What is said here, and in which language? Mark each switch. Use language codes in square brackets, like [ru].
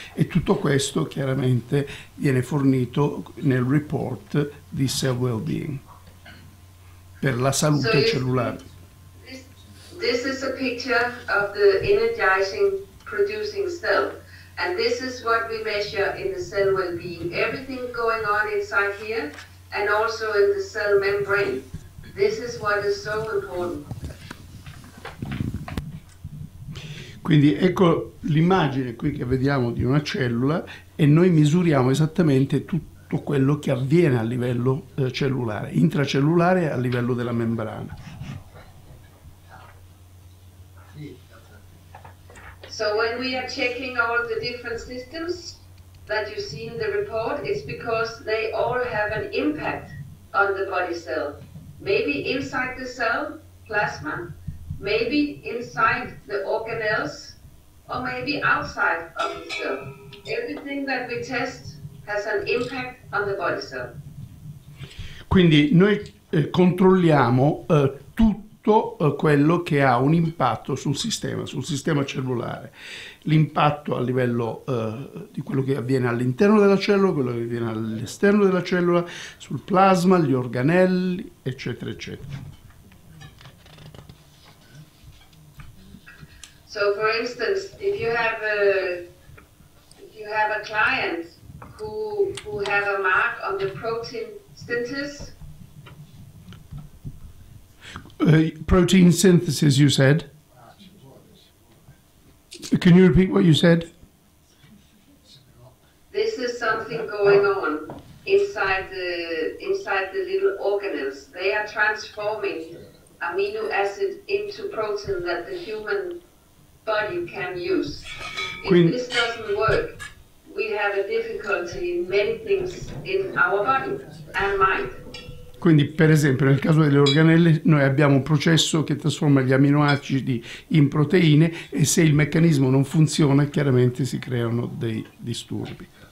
[it] E tutto questo chiaramente viene fornito nel report di Cell Wellbeing per la salute cellulare. [en] This is a picture of the energizing producing cell. And this is what we measure in the cell well-being. Everything going on inside here and also in the cell membrane. This is what is so important. [it] Quindi ecco l'immagine qui che vediamo di una cellula, e noi misuriamo esattamente tutto quello che avviene a livello cellulare, intracellulare, a livello della membrana. [en] So when we are checking all the different systems that you see in the report, it's because they all have an impact on the body cell. Maybe inside the cell, plasma, maybe inside the organelles, or maybe outside of the cell. Everything that we test has an impact on the body cell. [it] Quindi noi controlliamo tutto quello che ha un impatto sul sistema cellulare, l'impatto a livello di quello che avviene all'interno della cellula, quello che avviene all'esterno della cellula, sul plasma, gli organelli, eccetera, eccetera. [en] So for instance, if you have a client who have a mark on the protein synthesis, Protein synthesis, you said. Can you repeat what you said? This is something going on inside the little organelles. They are transforming amino acid into protein that the human body can use. Queen, if this doesn't work, we have a difficulty in many things in our body and mind. [it] Quindi, per esempio, nel caso delle organelle, noi abbiamo un processo che trasforma gli aminoacidi in proteine e se il meccanismo non funziona, chiaramente si creano dei disturbi.